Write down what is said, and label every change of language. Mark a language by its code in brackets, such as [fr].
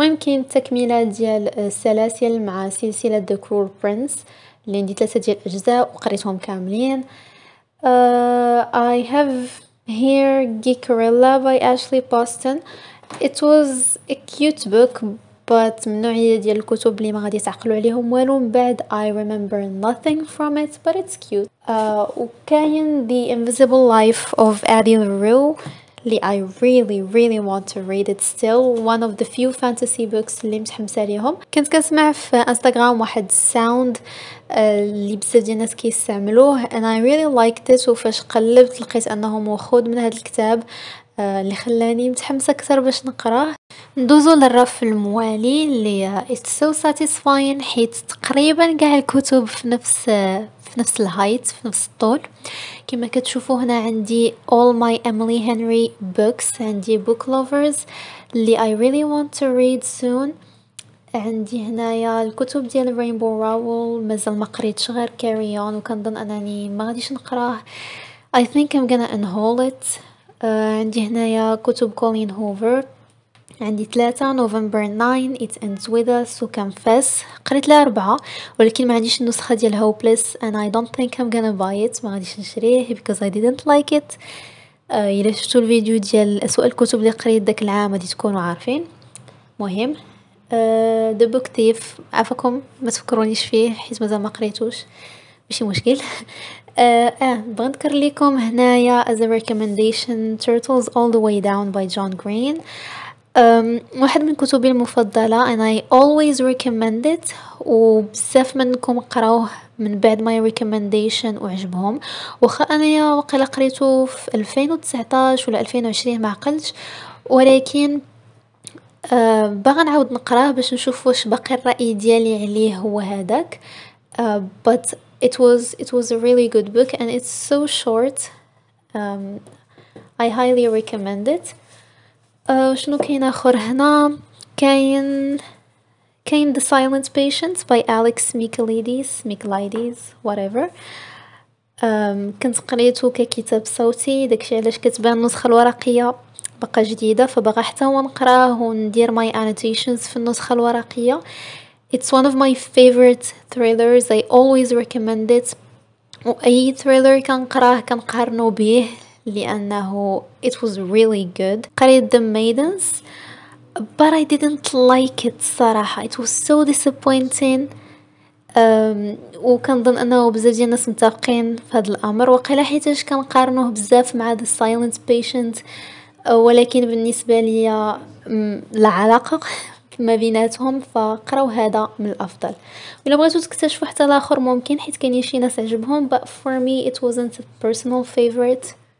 [ar] ممكن تكملة ديال السلاسل مع سلسلة The Cruel Prince اللي عندي ثلاثة ديال الأجزاء وقريتهم كاملين. [en] I have here Geekerella by Ashley Poston. It was a cute book but [ar] من نوعية ديال الكتب اللي ما غادي تعقلوا عليهم والو. من بعد [en] I remember nothing from it but it's cute. [ar] وكاين [en] The Invisible Life of Addie LaRue [ar] اللي [en] I really really want to read it still. One of the few fantasy books [ar] اللي متحمسة ليهم. كنت كنسمع في انستغرام واحد ساوند اللي بزاف ديال الناس كيستعملوه [en] and I really liked it. [ar] وفاش قلبت لقيت انه موخود من هذا الكتاب اللي خلاني متحمسة اكثر باش نقراه. ندوزو للرف الموالي اللي [en] it's so satisfying [ar] حيت تقريبا كاع الكتب في نفس الهايت في نفس الطول. كما كتشوفوا هنا عندي [en] all my Emily Henry books, [ar] عندي book lovers اللي [en] I really want to read soon. [ar] عندي هنا يا الكتب ديال Rainbow Rowell مازال ما قريتش غير Carry On وكنظن انني ما غاديش نقراه. [en] I think I'm gonna unhaul it. [ar] عندي هنا يا كتب Colleen Hoover, عندي ثلاثة November 9 It Ends With Us و Confess. قريت لها أربعة ولكن ما عنديش النسخة ديال Hopeless and I don't think I'm gonna buy it. ما غاديش نشريه [en] because I didn't like it. [ar] إلا شفتوا الفيديو ديال أسوأ الكتب اللي قريت داك العام غادي تكونوا عارفين. مهم The Book Thief عفاكم ما تفكرونيش فيه حيت مازال ما قريتوش ماشي مشكل. بغيت نذكر لكم هنايا [en] as a recommendation [ar] Turtles All the Way Down by John Green. واحد من كتبي المفضلة [en] and I always recommend it [ar] وبزاف منكم قراوه من بعد [en] my recommendation [ar] وعجبهم. وخا انا يا وقيلا قريته في 2019 ولا 2020 ما عقلتش ولكن باغا نعاود نقراه باش نشوف واش باقي الرأي ديالي عليه هو هذاك. [en] But it was a really good book and it's so short. I highly recommend it. [ar] شنو كاين اخر هنا؟ كاين The Silent Patient by Alex Mikalidis whatever. كنت قريته ككتاب صوتي داكشي علاش كتبان النسخه الورقيه بقى جديده فباغا حتى هو نقراه وندير [en] my annotations [ar] في النسخه الورقيه. [en] It's one of my favorite thrillers. I always recommend it. [ar] واي thriller كنقراه كنقارنو به لأنه [en] it was really good. [ar] قريت [en] The Maidens but I didn't like it [ar] صراحة. [en] It was so disappointing. [ar] وكنظن أنه بزاف ديال الناس متفقين في هذا الأمر وقيلا حيتاش كنقارنوه بزاف مع The Silent Patient. ولكن بالنسبة لي العلاقة ما بيناتهم فقراو هذا من الأفضل. ولو بغيتو تكتشفوا حتى الآخر ممكن حيت كاينين شي ناس عجبهم [en] but for me it wasn't a personal favorite.